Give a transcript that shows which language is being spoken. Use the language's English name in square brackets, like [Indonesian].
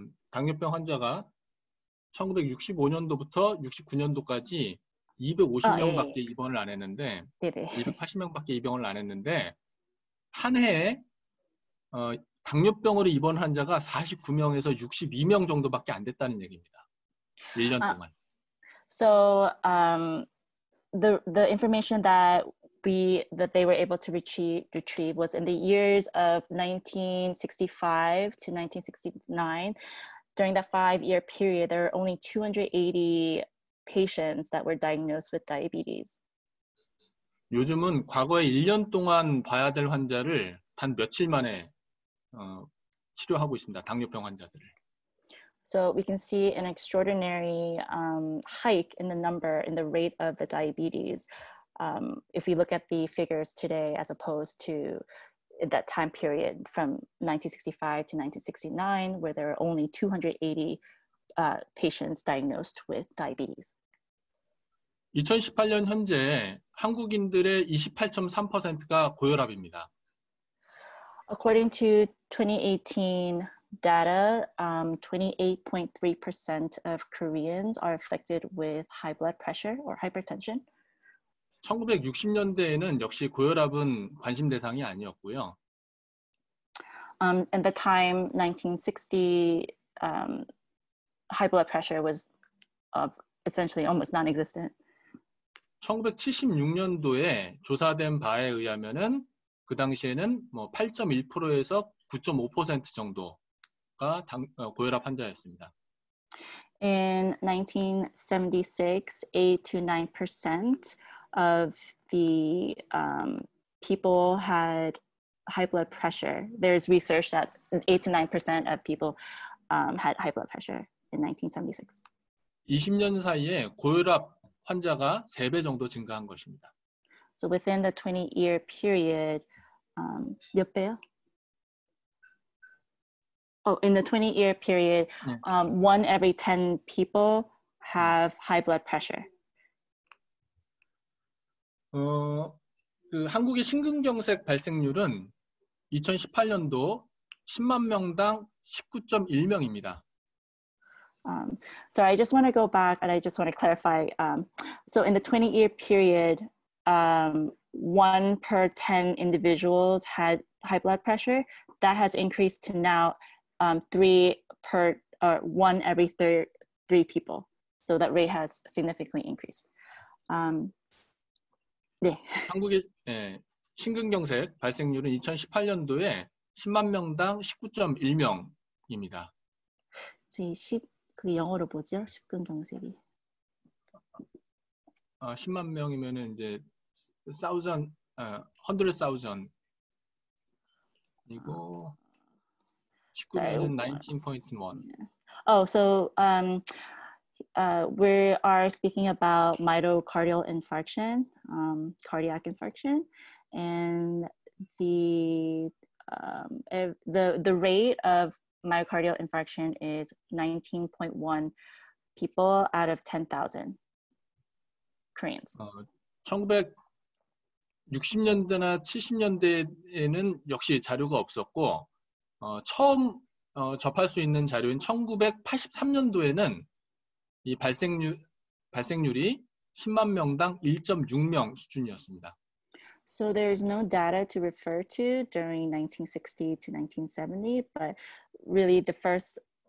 [Korean] 당뇨병 환자가 1965년도부터 69년도까지 250명밖에 아, 예. 입원을 안 했는데 네네. 280명밖에 입원을 안 했는데 한 해에 당뇨병으로 입원 환자가 49명에서 62명 정도밖에 안 됐다는 얘기입니다. 1년 동안. [English] So the information that they were able to retrieve was in the years of 1965 to 1969. During that 5-year period, there were only 280 patients that were diagnosed with diabetes. [Korean] 요즘은 과거에 1년 동안 봐야 될 환자를 단 며칠 만에 치료하고 있습니다. 당뇨병 환자들을. [English] So we can see an extraordinary hike in the number in the rate of the diabetes if we look at the figures today as opposed to that time period from 1965 to 1969 where there are only 280 patients diagnosed with diabetes. [Korean] 2018년 현재 한국인들의 28.3%가 고혈압입니다. [English] According to 2018 data, 28.3% of Koreans are affected with high blood pressure or hypertension. [Korean] 1960년대에는 역시 고혈압은 관심 대상이 아니었고요. [English] In the time 1960, high blood pressure was essentially almost non-existent. [Korean] 1976년도에 조사된 바에 의하면은 그 당시에는 뭐 8.1%에서 9.5% 정도가 고혈압 환자였습니다. [English] In 1976, 8 to 9% of the people had high blood pressure. There's research that 8 to 9% of people had high blood pressure. In 1976. [Korean] 20년 사이에 고혈압 환자가 3배 정도 증가한 것입니다. [English] So within the 20-year period, [Korean] 몇 배요? [English] Oh, in the 20-year period, 네. One every 10 people have high blood pressure. [Korean] 한국의 심근경색 발생률은 2018년도 10만 명당 19.1명입니다. [English] So I just want to go back and I just want to clarify. So in the 20-year period, one per 10 individuals had high blood pressure. That has increased to now one every three people. So that rate has significantly increased. [Korean] 네. 한국의 네, 심근경색 발생률은 2018년도에 10만 명당 19.1명입니다. 그 영어로 뭐죠? 심근경색이. 아, 10만 명이면은 이제 [English] thousand, 100 thousand. [Korean] 그리고 19는 19.1. [English] Oh, so we are speaking about myocardial infarction, cardiac infarction, and the rate of myocardial infarction is 19.1 people out of 10,000 Koreans. [Korean] 1960년대나 70년대에는 역시 자료가 없었고 처음 접할 수 있는 자료인 1983년도에는 이 발생률이 10만 명당 1.6명 수준이었습니다. [English] So there is no data to refer to during 1960 to 1970, but really the first